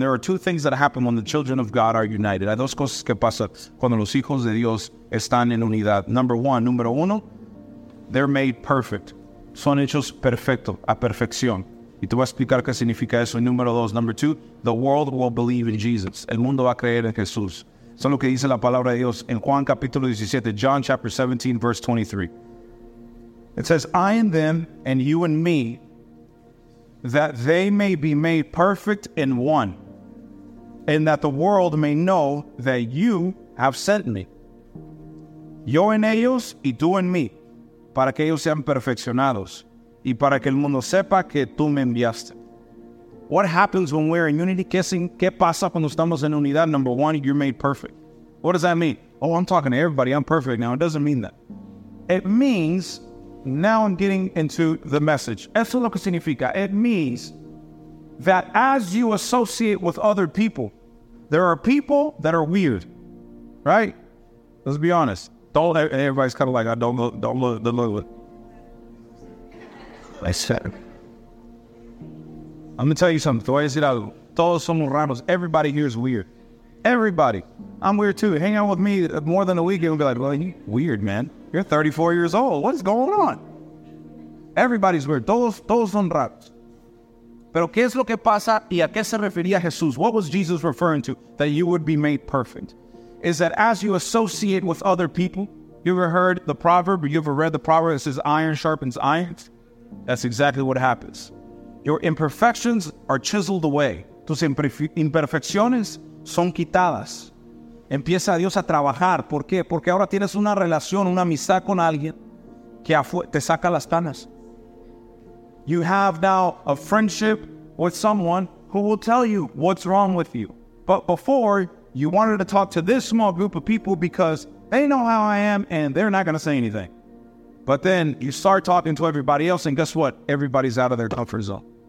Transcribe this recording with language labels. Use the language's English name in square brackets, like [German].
[English] There are two things that happen when the children of God are united. [Spanish] Hay dos cosas que pasa cuando los hijos de Dios están en unidad. Número uno, [English] they're made perfect. [Spanish] Son hechos perfecto, a perfección. Y te voy a explicar qué significa eso. [English] Number two, the world will believe in Jesus. [Spanish] El mundo va a creer en Jesús. Son lo que dice la palabra de Dios en Juan capítulo 17, [English] John chapter 17, verse 23. It says, I in them and you in me, that they may be made perfect in one, and that the world may know that you have sent me. [Spanish] Yo en ellos y tú en mí, para que ellos sean perfeccionados, y para que el mundo sepa que tú me enviaste. [English] What happens when we're in unity? [Spanish] ¿Qué pasa cuando estamos en unidad? [English] Number one, you're made perfect. What does that mean? Oh, I'm talking to everybody. I'm perfect now. It doesn't mean that. It means, now I'm getting into the message. [Spanish] Eso lo que significa. [English] It means that as you associate with other people, there are people that are weird, right? Let's be honest. Everybody's kind of like, don't look. I said, I'm going to tell you something. [Spanish] Te voy a decir algo. Todos somos raros. [English] Everybody here is weird. Everybody. I'm weird too. Hang out with me more than a week, you'll be like, well, you're weird, man. You're 34 years old. What is going on? Everybody's weird. [Spanish] Todos son raros. Pero ¿qué es lo que pasa y a qué se refería Jesús? [English] What was Jesus referring to? That you would be made perfect. Is that as you associate with other people, you ever heard the proverb, or you ever read the proverb that says iron sharpens iron? That's exactly what happens. Your imperfections are chiseled away. [Spanish] Tus imperfecciones son quitadas. Empieza Dios a trabajar. ¿Por qué? Porque ahora tienes una relación, una amistad con alguien que te saca las canas. [English] You have now a friendship with someone who will tell you what's wrong with you. But before, you wanted to talk to this small group of people because they know how I am and they're not going to say anything. But then you start talking to everybody else and guess what? Everybody's out of their comfort zone.